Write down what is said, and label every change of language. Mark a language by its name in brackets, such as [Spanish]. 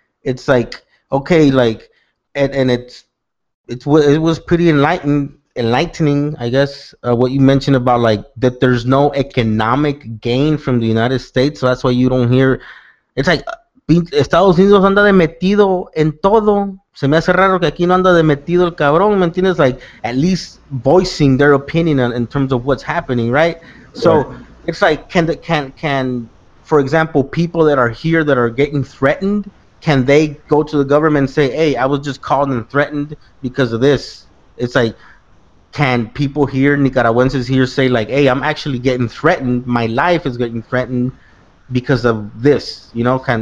[English] It's like, okay, like, and it was pretty enlightening, I guess, what you mentioned about, like, that there's no economic gain from the United States, so that's why you don't hear, it's like, [Spanish] Estados Unidos anda de metido en todo. Se me hace raro que aquí no anda de metido el cabrón, ¿me entiendes? [English] Like, at least voicing their opinion in terms of what's happening, right? So, yeah. It's like, can for example, people that are here that are getting threatened, can they go to the government and say, hey, I was just called and threatened because of this? It's like, can people here, Nicaraguenses here, say like, hey, I'm actually getting threatened, my life is getting threatened because of this, you know?